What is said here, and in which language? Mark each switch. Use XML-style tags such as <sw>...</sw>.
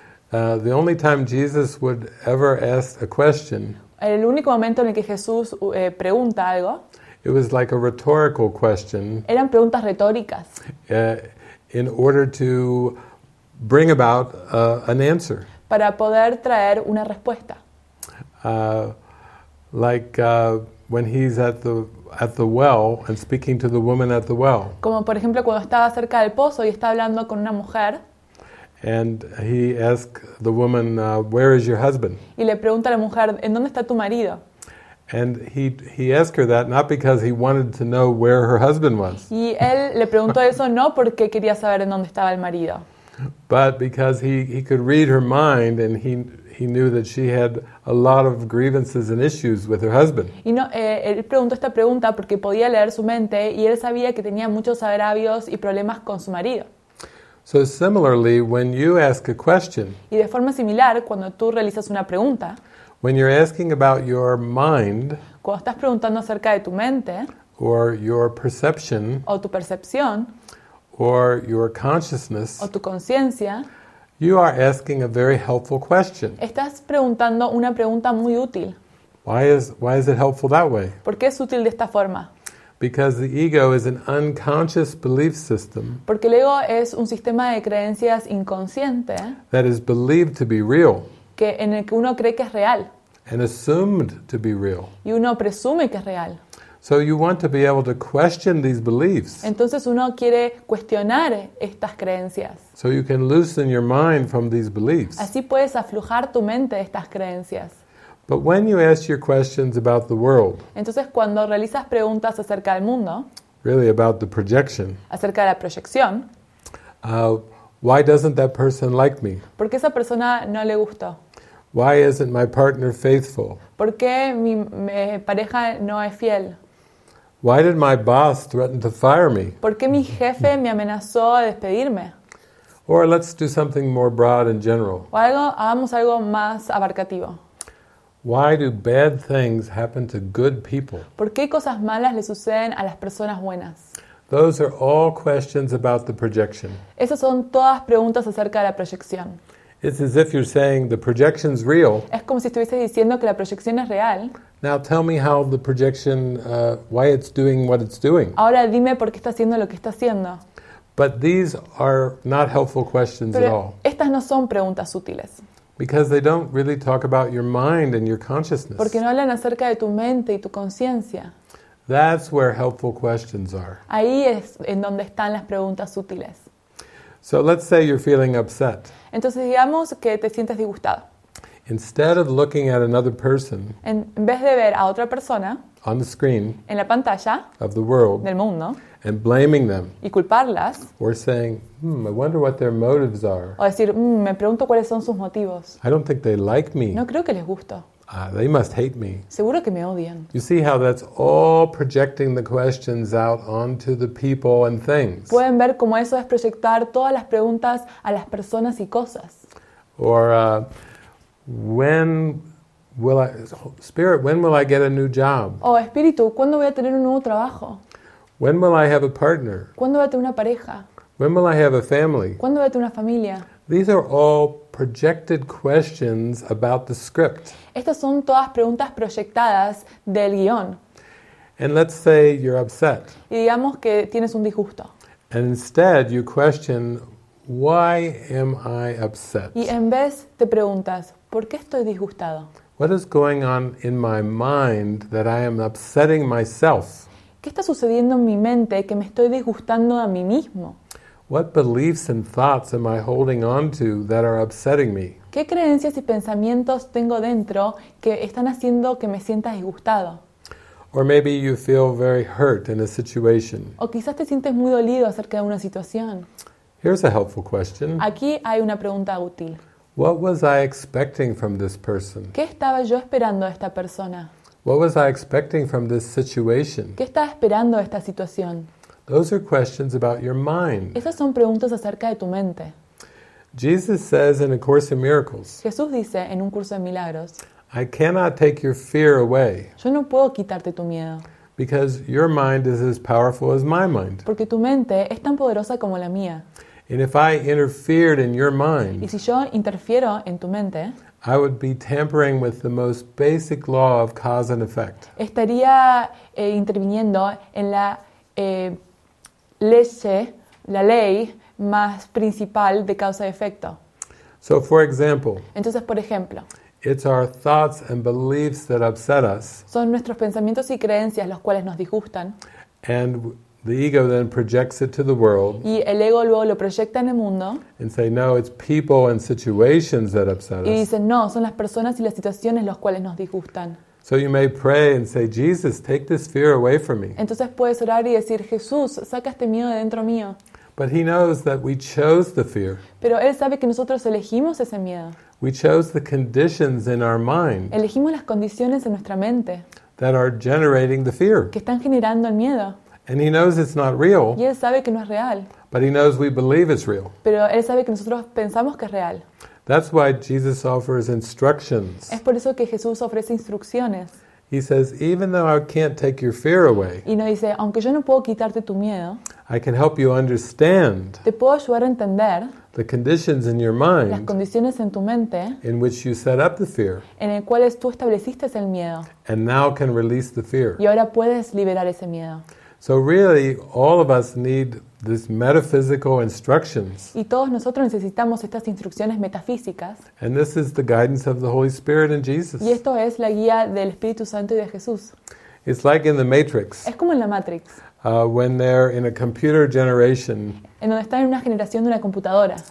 <en>The only time Jesus would ever ask a question.</en> <es>El único momento en el que Jesús pregunta algo.</es> <en>It was like a rhetorical question.</en> <es>Eran preguntas retóricas.</es> <en>In order to bring about an answer.</en> <es>Para poder traer una respuesta.</es> <en>When he's at the well and speaking to the woman at the well.</en> <es>Como por ejemplo cuando estaba cerca del pozo y está hablando con una mujer.</es> <en>And he asked the woman, "Where is your husband?"</en> <es>Y le pregunta a la mujer, ¿en dónde está tu marido?</es> <en>And he asked her that not because he wanted to know where her husband was.</en> <es>Y él le preguntó eso no porque quería saber en dónde estaba el marido.</es> <en>But because he could read her mind and he knew that she had a lot of grievances and issues with her husband.</en> <es>Y no, él preguntó esta pregunta porque podía leer su mente y él sabía que tenía muchos agravios y problemas con su marido.</es> <en>So similarly, when you ask a question,</en> <es>y de forma similar, cuando tú realizas una pregunta,</es> <en>when you're asking about your mind,</en> <es>cuando estás preguntando acerca de tu mente,</es> <en>or your perception,</en> <es>o tu percepción,</es> <en>or your consciousness,</en> <es>o tu conciencia,</es> <en>you are asking a very helpful question.</en> <es>Estás preguntando una pregunta muy útil.</es> <en>Why is it helpful that way?</en> <es>¿Por qué es útil de esta forma?</es> <en>Because the ego is an unconscious belief system.</en> <es>Porque el ego es un sistema de creencias inconsciente.</es> <en>That is believed to be real.</en> <es>Que en el que uno cree que es real.</es> <en>And assumed to be real.</en> <es>Y uno presume que es real.</es> <en>So you want to be able to question these beliefs.</en> <es>Entonces uno quiere cuestionar estas creencias.</es> <en>So you can loosen your mind from these beliefs.</en> <es>Así puedes aflojar tu mente de estas creencias.</es> <en>But when you ask your questions about the world,</en> <es>entonces cuando realizas preguntas acerca del mundo,</es> <en>really about the projection,</en> <es>acerca de la proyección,</es> <en>why doesn't that person like me?</en> <es>¿Por qué esa persona no le gustó?</es> <en>Why isn't my partner faithful?</en> <es>¿Por qué mi pareja no es fiel?</es> <en>Why did my boss threaten to fire me?</en> <es>¿Por qué mi jefe me amenazó a despedirme?</es> <en>Or let's do something more broad and general.</en> <es>O algo, hagamos algo más abarcativo.</es> <en>Why do bad things happen to good people?</en> <es>¿Por qué cosas malas le suceden a las personas buenas?</es> <en>Those are all questions about the projection.</en> <es>Esas son todas preguntas acerca de la proyección.</es> <en>It's as if you're saying the projection's real.</en> <es>Es como si estuvieses diciendo que la proyección es real.</es> <en>Now tell me how the projection, why it's doing what it's doing.</en> <es>Ahora dime por qué está haciendo lo que está haciendo.</es> <en>But these are not helpful questions</en> <es>pero</es> <en>at all.</en> <es>Estas no son preguntas útiles.</es> <en>Because they don't really talk about your mind and your consciousness.</en> <es>Porque no hablan acerca de tu mente y tu conciencia.</es> <en>That's where helpful questions are.</en> <es>Ahí es en donde están las preguntas útiles.</es> <en>So let's say you're feeling upset.</en> <es>Entonces digamos que te sientes disgustado.</es> <en>Instead of looking at another person,</en> <es>en vez de ver a otra persona,</es> <en>on the screen,</en> <es>en la pantalla,</es> <en>of the world,</en> <es>del mundo,</es> <en>and blaming them,</en> <es>y culparlas,</es> <en>or saying, I wonder what their motives are.</en> <es>O decir, me pregunto cuáles son sus motivos.</es> <en>I don't think they like me.</en> <es>No creo que les gusto.</es> <en>They must hate me.</en> <es>Seguro que me odian.</es> <en>You see how that's all projecting the questions out onto the people and things.</en> <es>Pueden ver cómo eso es proyectar todas las preguntas a las personas y cosas.</es> <en>Or when will I get a new job?</en> <es>Oh, espíritu, ¿cuándo voy a tener un nuevo trabajo?</es> <en>When will I have a partner?</en> <es>¿Cuándo voy a tener una pareja?</es> <en>When will I have a family?</en> <es>¿Cuándo voy a tener una familia?</es> <en>These are all projected questions about the script.</en> <es>Estas son todas preguntas proyectadas del guión.</es> <en>And let's say you're upset.</en> <es>Y digamos que tienes un disgusto.</es> <en>And instead you question, why am I upset?</en> <es>Y en vez te preguntas, ¿por qué estoy disgustado?</es> <en>What is going on in my mind that I am upsetting myself?</en> <es>¿Qué está sucediendo en mi mente que me estoy disgustando a mí mismo?</es> <en>What beliefs and thoughts am I holding on to that are upsetting me?</en> <es>¿Qué creencias y pensamientos tengo dentro que están haciendo que me sienta disgustado?</es> <en>Or maybe you feel very hurt in a situation.</en> <es>O quizás te sientes muy dolido acerca de una situación.</es> <en>Here's a helpful question.</en> <es>Aquí hay una pregunta útil.</es> <en>What was I expecting from this person?</en> <es>¿Qué estaba yo esperando de esta persona?</es> <en>What was I expecting from this situation?</en> <es>¿Qué estaba esperando de esta situación?</es> <en>Those are questions about your mind.</en> <es>Esas son preguntas acerca de tu mente.</es> <en>Jesus says in A Course in Miracles,</en> <es>Jesús dice en un curso de milagros,</es> <en>I cannot take your fear away.</en> <es>Yo no puedo quitarte tu miedo.</es> <en>Because your mind is as powerful as my mind.</en> <es>Porque tu mente es tan poderosa como la mía.</es> <en>And if I interfered in your mind,</en> <es>y si yo interfiero en tu mente,</es> <en>I would be tampering with the most basic law of cause and effect.</en> <es>Estaría interviniendo en la ley más principal de causa y efecto.</es> <en>So for example,</en> <es>entonces por ejemplo,</es> <en>it's our thoughts and beliefs that upset us.</en> <es>Son nuestros pensamientos y creencias los cuales nos disgustan.</es> <en>And the ego then projects it to the world.</en> <es>Y el ego luego lo proyecta en el mundo.</es> <en>And say, no, it's people and situations that upset us.</en> <es>Y dicen, no, son las personas y las situaciones los cuales nos disgustan.</es> <en>So you may pray and say, Jesus, take this fear away from me.</en> <es>Entonces puedes orar y decir, Jesús, saca este miedo de dentro mío.</es> <en>But he knows that we chose the fear.</en> <es>Pero él sabe que nosotros elegimos ese miedo.</es> <en>We chose the conditions in our mind.</en> <es>Elegimos las condiciones en nuestra mente.</es> <en>That are generating the fear.</en> <es>Que están generando el miedo.</es> <en>And he knows it's not real.</en> <es>Y él sabe que no es real.</es> <en>But he knows we believe it's real.</en> <es>Pero él sabe que nosotros pensamos que es real.</es> <en>That's why Jesus offers instructions.</en> <es>Es por eso que Jesús ofrece instrucciones.</es> <en>He says, even though I can't take your fear away,</en> <es>y nos dice, aunque yo no puedo quitarte tu miedo,</es> <en>I can help you understand,</en> <es>te puedo ayudar a entender,</es> <en>the conditions in your mind,</en> <es>las condiciones en tu mente,</es> <en>in which you set up the fear,</en> <es>en el cual tú estableciste el miedo,</es> <en>and now can release the fear.</en> <es>Y ahora puedes liberar ese miedo.</es> <en>So really, all of us need these metaphysical instructions.</en> <es>Y todos nosotros necesitamos estas instrucciones metafísicas.</es> <en>And this is the guidance of the Holy Spirit and Jesus.</en> <es>Y esto es la guía del Espíritu Santo y de Jesús.</es> <en>It's like in the Matrix.</en> <es>Es como en la Matrix.</es> <en>When they're in a computer generation.</en> <es>En donde están en una generación de una computadora.</es>